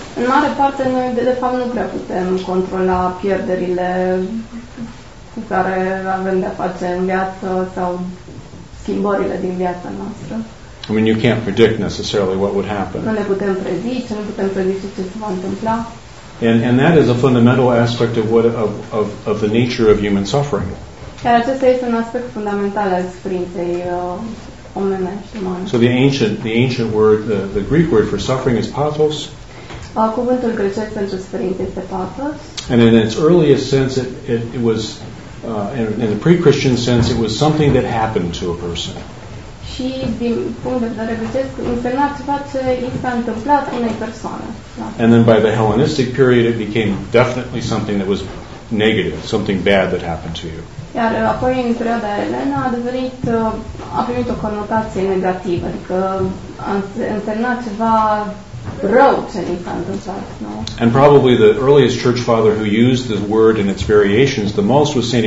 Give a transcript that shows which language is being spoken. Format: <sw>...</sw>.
<ro>În mare parte, noi de fapt nu prea putem controla pierderile cu care avem de-a face în viață sau schimbările din viața noastră.</ro> <en>I mean, you can't predict necessarily what would happen.</en> <ro>Nu le putem predice, nu putem predice ce se va întâmpla.</ro> <en>And that is a fundamental aspect of what of the nature of human suffering.</en> <ro>Care acesta este un aspect fundamental al suferinței omenești, umane.</ro> <en>So the ancient word, the Greek word for suffering is pathos.</en> <ro>Cuvântul grecesc pentru suferință este pathos.</ro> <en>And in its earliest sense, it was in the pre-Christian sense, it was something that happened to a person.</en> <ro>Și din punct de vedere grecesc, însemna ceva ce i s-a întâmplat unei persoane.</ro> <en>And then by the Hellenistic period it became definitely something that was negative, something bad that happened to you.</en> <ro>Iar apoi în perioada Elena a primit o conotație negativă, adică însemna ceva rău ce i s-a întâmplat, nu?</ro> <en>And probably the earliest church father who used this word in its variations the most was St.</en>